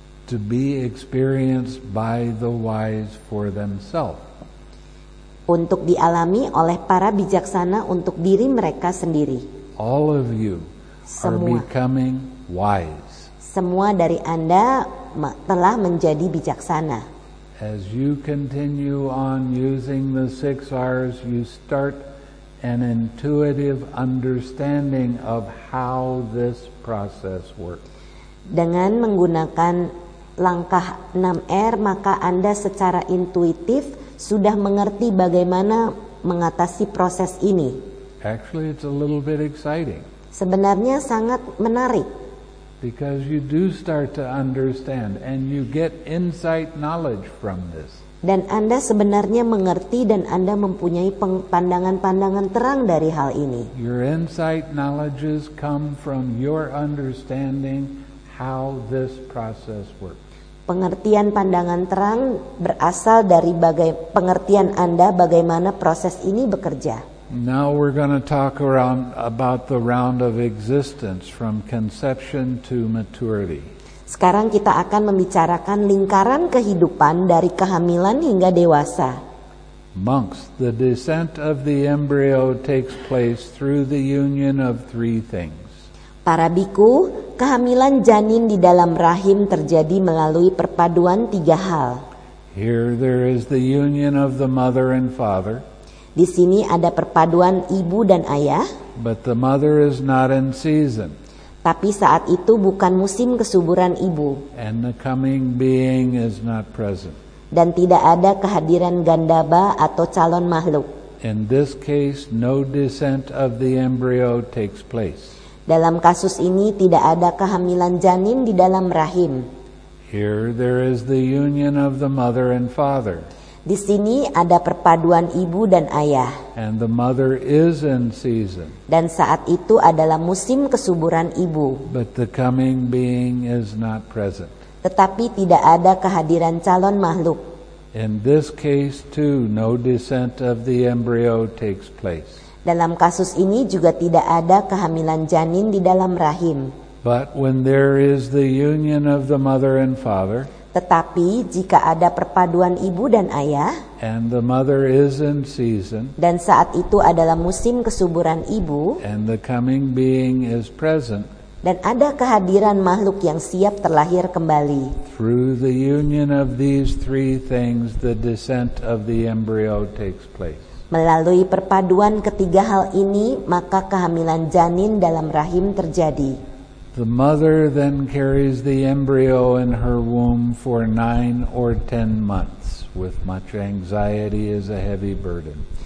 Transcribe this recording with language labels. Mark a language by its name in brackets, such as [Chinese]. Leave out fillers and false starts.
[English] To be experienced by the wise for themselves. [Indonesian] Untuk dialami oleh para bijaksana untuk diri mereka sendiri. [English] All of you are becoming wise. [Indonesian] Semua dari Anda telah menjadi bijaksana. [English] As you continue on using the six R's, you start an intuitive understanding of how this process works. [Indonesian] Dengan menggunakan langkah 6R, maka Anda secara intuitif sudah mengerti bagaimana mengatasi proses ini. [English] Actually, it's a little bit exciting. [Indonesian] Sebenarnya sangat menarik. [English] Because you do start to understand and you get insight knowledge from this. [Indonesian] Dan Anda sebenarnya mengerti dan Anda mempunyai pandangan-pandangan terang dari hal ini. [English] Your insight knowledges come from your understanding how this process works. [Indonesian] Pengertian pandangan terang berasal dari pengertian Anda bagaimana proses ini bekerja. [English] Now we're going to talk around about the round of existence from conception to maturity. [Indonesian] Sekarang kita akan membicarakan lingkaran kehidupan dari kehamilan hingga dewasa. [English] Monks, the descent of the embryo takes place through the union of three things. [Indonesian] Para bhikkhu, kehamilan janin di dalam rahim terjadi melalui perpaduan tiga hal. [English] Here there is the union of the mother and father. [Indonesian] Di sini ada perpaduan ibu dan ayah. [English] But the mother is not in season. [Indonesian] Tapi saat itu bukan musim kesuburan ibu. [English] And the coming being is not present. [Indonesian] Dan tidak ada kehadiran gandaba atau calon makhluk. [English] In this case, no descent of the embryo takes place. [Indonesian] Dalam kasus ini tidak ada kehamilan janin di dalam rahim. [English] Here there is the union of the mother and father. [Indonesian] Di sini ada perpaduan ibu dan ayah. [English] And the mother is in season. [Indonesian] Dan saat itu adalah musim kesuburan ibu. [English] But the coming being is not present. [Indonesian] Tetapi tidak ada kehadiran calon makhluk. [English] In this case too, no descent of the embryo takes place. [Indonesian] Dalam kasus ini juga tidak ada kehamilan janin di dalam rahim. [English] But when there is the union of the mother and father, [Indonesian] tetapi jika ada perpaduan ibu dan ayah, [English] and the mother is in season, [Indonesian] dan saat itu adalah musim kesuburan ibu, [English] and the coming being is present, [Indonesian] dan ada kehadiran makhluk yang siap terlahir kembali, [English] through the union of these three things, the descent of the embryo takes place. [Indonesian] Melalui perpaduan ketiga hal ini, maka kehamilan janin dalam rahim terjadi. [English] The mother then carries the embryo in her womb for 9 or 10 months with much anxiety as a heavy burden.